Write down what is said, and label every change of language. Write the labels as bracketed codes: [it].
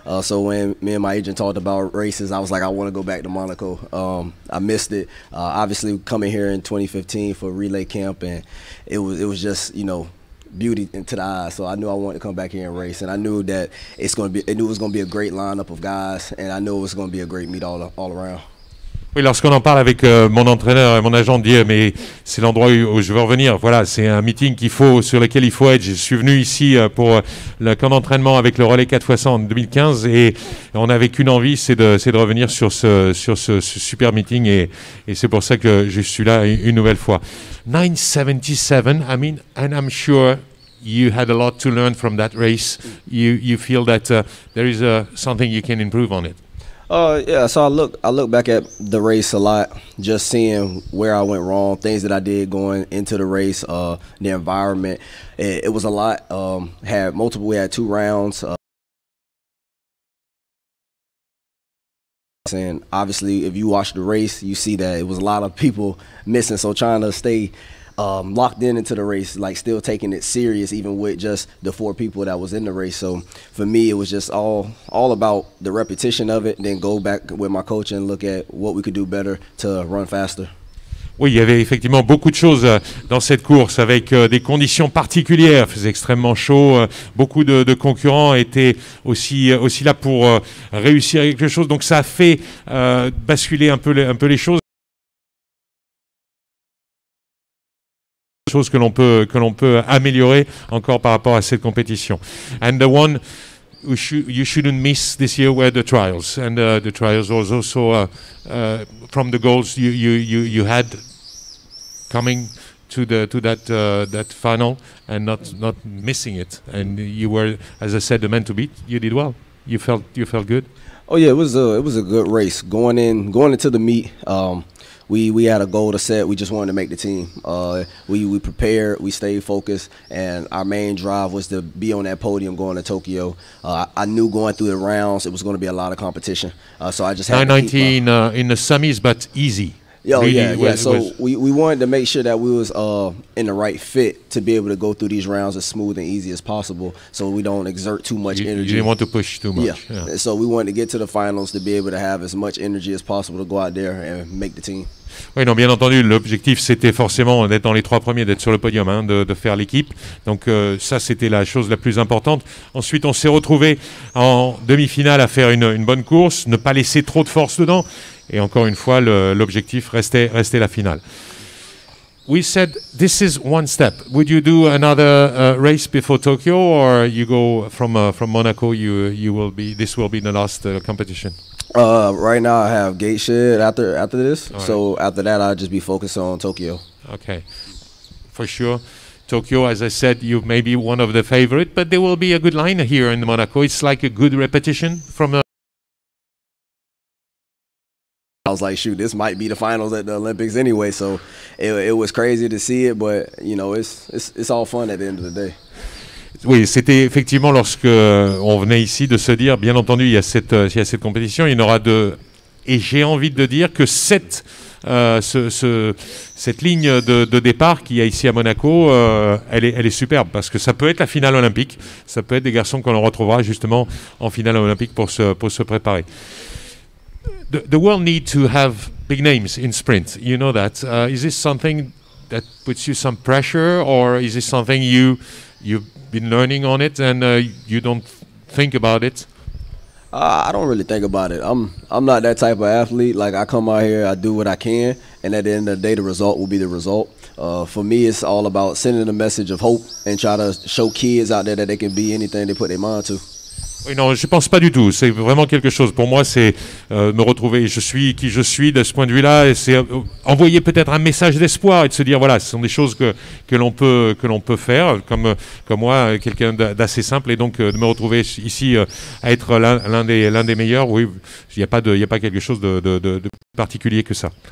[en] So when me and my agent talked about races, I was like, I want to go back to Monaco. I missed it. Obviously, coming here in 2015 for relay camp, and it was just, you know, beauty into the eyes. So I knew I wanted to come back here and race, and I knew that it was going to be a great lineup of guys, and I knew it was going to be a great meet all around. [fr] Oui, lorsqu'on en parle avec mon entraîneur et mon agent, dit mais c'est l'endroit où je veux revenir. Voilà, c'est un meeting sur lequel il faut être. Je suis venu ici pour le camp d'entraînement avec le relais 4x100 en 2015 et on n'avait qu'une envie, c'est de revenir sur ce super meeting et c'est pour ça que je suis là une nouvelle fois. [en] 977, I mean, and I'm sure you had a lot to learn from that race. You feel that there is something you can improve on it. Yeah, so I look back at the race a lot, just seeing where I went wrong, things that I did going into the race, the environment. It was a lot. We had two rounds. And obviously, if you watch the race, you see that it was a lot of people missing. So trying to stay locked in into the race, like still taking it serious, even with just the four people that was in the race. So for me, it was just all about the repetition of it, then go back with my coach and look at what we could do better to run faster. [fr] Oui, il y avait effectivement beaucoup de choses dans cette course avec des conditions particulières. Il faisait extrêmement chaud. Beaucoup de concurrents étaient aussi là pour réussir quelque chose. Donc ça a fait basculer un peu les choses. Chose que l'on peut améliorer encore par rapport à cette compétition. [en] And the one you shouldn't miss this year were the trials, and the trials was also from the goals you had coming to that final and not missing it. And you were, as I said, the man to beat. You did well. You felt good. Oh yeah, it was a good race going into the meet. We had a goal to set. We just wanted to make the team. We prepared, we stayed focused, and our main drive was to be on that podium going to Tokyo. I knew going through the rounds it was going to be a lot of competition. So I just had 919 in the semis, but easy. So we wanted to make sure that we was in the right fit to be able to go through these rounds as smooth and easy as possible, so we don't exert too much energy. You didn't want to push too much. Yeah. And so we wanted to get to the finals to be able to have as much energy as possible to go out there and make the team. [fr] Oui, non, bien entendu, l'objectif, c'était forcément d'être dans les trois premiers, d'être sur le podium, hein, de faire l'équipe. Donc ça, c'était la chose la plus importante. Ensuite, on s'est retrouvé en demi-finale à faire une bonne course, ne pas laisser trop de force dedans. Et encore une fois, l'objectif restait la finale. [en] We said, this is one step. Would you do another race before Tokyo, or you go from Monaco, this will be the last competition? Right now I have gate shed after this. All so right. After that I'll just be focused on Tokyo. Okay, for sure. Tokyo, as I said, you may be one of the favorite, but there will be a good line here in Monaco. It's like a good repetition from I was like, shoot, this might be the finals at the Olympics anyway. So it was crazy to see it, but you know, it's all fun at the end of the day. [fr] Oui, c'était effectivement lorsqu'on venait ici de se dire, bien entendu, il y a cette compétition, il y en aura deux. Et j'ai envie de dire que cette ligne de départ qu'il y a ici à Monaco, elle est superbe, parce que ça peut être la finale olympique, ça peut être des garçons qu'on retrouvera justement en finale olympique pour se préparer. [en] The world needs to have big names in sprint, you know that. Is this something that puts you some pressure, or is this something you've been learning on it and you don't think about it? I don't really think about it. I'm not that type of athlete. Like, I come out here, I do what I can, and at the end of the day, the result will be the result. For me, it's all about sending a message of hope and try to show kids out there that they can be anything they put their mind to. [fr] Oui, non, je ne pense pas du tout. C'est vraiment quelque chose. Pour moi, c'est me retrouver. Je suis qui je suis de ce point de vue-là. Et c'est envoyer peut-être un message d'espoir et de se dire, voilà, ce sont des choses que l'on peut faire, comme moi, quelqu'un d'assez simple. Et donc, de me retrouver ici à être l'un des meilleurs, oui, il n'y a pas quelque chose de particulier que ça.